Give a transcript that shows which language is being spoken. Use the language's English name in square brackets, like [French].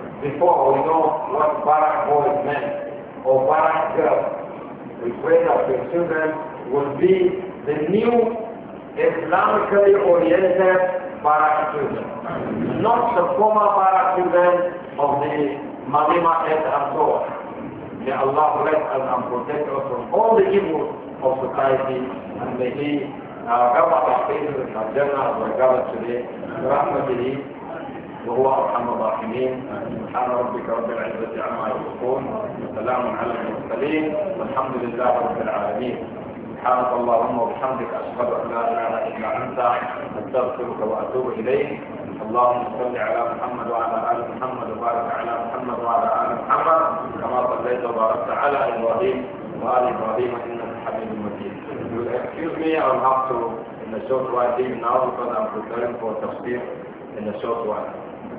[English] Before we know what Barak boys meant or Barak girls, we pray that your children will be the new Islamically oriented Barak children. Not the former Barak children of the Malima and so on. May Allah bless us and protect us from all the evils of society, and may He help us our faces in our general as we gather today. [Arabic] Rahmatullahi. وهو أرحم الراحمين سبحان ربك رب العزة عما يصفون وسلام على المرسلين والحمد لله رب العالمين سبحانك اللهم وبحمدك أشهد أن لا إله إلا أنت أستغفرك وأتوب إليك اللهم صل على محمد وعلى آل محمد وبارك على محمد وعلى آل محمد كما صليت وباركت على إبراهيم وآل إبراهيم إنك حميد مجيد. [English] Excuse me, I'll have to in a short while leave now because I'm preparing for تفسير in a short while.